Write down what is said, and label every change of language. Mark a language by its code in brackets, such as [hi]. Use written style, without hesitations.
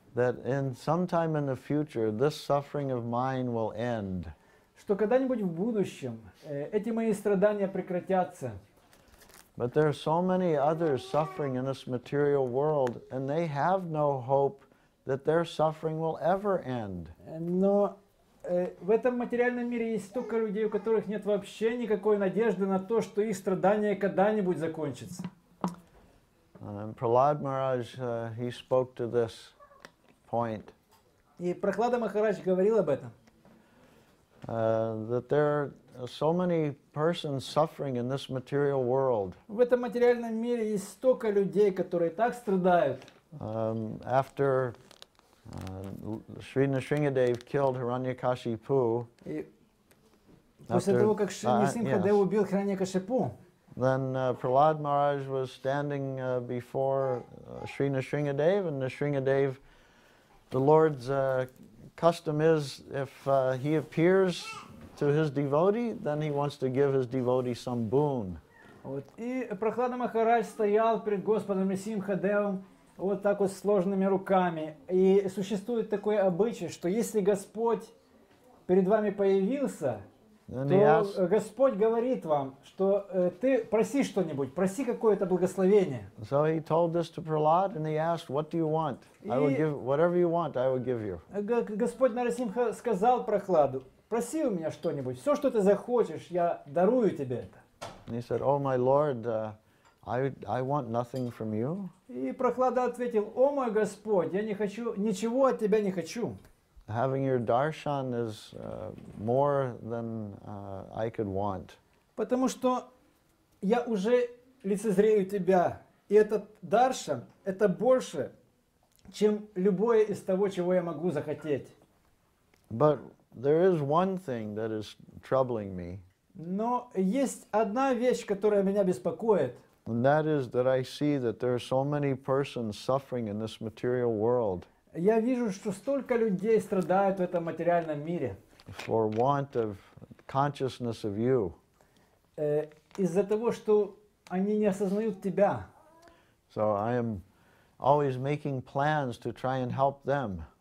[en] That in sometime in the future, this suffering of mine will end. [ru] Что когда-нибудь в будущем эти мои страдания прекратятся. [en] But there are so many others suffering in this material world, and they have no hope that their suffering will ever end. [ru] Но в этом материальном мире есть столько людей, у которых нет вообще никакой надежды на то, что их страдания когда-нибудь закончатся. [en] Prahlad Maharaj, he spoke to this point. [ru] И Прахлада Махарадж говорил об этом. [en] That there are so many persons suffering in this material world. [ru] В этом материальном мире есть столько людей, которые так страдают. [en] After Шри Нисингхадев killed Хираньякашипу. [ru] После того, как Шри Нисингхадев убил Хираньякашипу. [en] Then Prahlad Maharaj was standing before Шри Нисингхадев, and Нисингхадев, the Lord's custom is if he appears to his devotee, then he wants to give his devotee some boon. [ru] Вот и Прахлада Махарадж стоял перед Господом Нисингхадевом вот так вот сложными руками. И существует такой обычай, что если Господь перед вами появился, то Господь говорит вам, что ты проси что-нибудь, проси какое-то благословение. [en] So he told this to Prahlad, and he asked, "What do you want? I will give whatever you want. I will give you." [ru] Господь Нарасимха сказал Прахладу, проси у меня что-нибудь, все, что ты захочешь, я дарую тебе это. [en] And he said, "Oh my Lord, I want nothing from you." [ru] И Прахлада ответил, "О мой Господь, я не хочу ничего от тебя не хочу." [en] Having your darshan is more than I could want. [ru] Потому что я уже лицезрею тебя, И этот даршан, это больше, чем любое из того, чего я могу захотеть. [en] But there is one thing that is troubling me. [ru] Но есть одна вещь, которая меня беспокоит. [en] And that is that I see that there are so many persons suffering in this material world. [ru] Я вижу, что столько людей страдают в этом материальном мире. [en] For want of consciousness of you. [ru] Из-за того, что они не осознают тебя. [en] So I am always making plans to try and help them.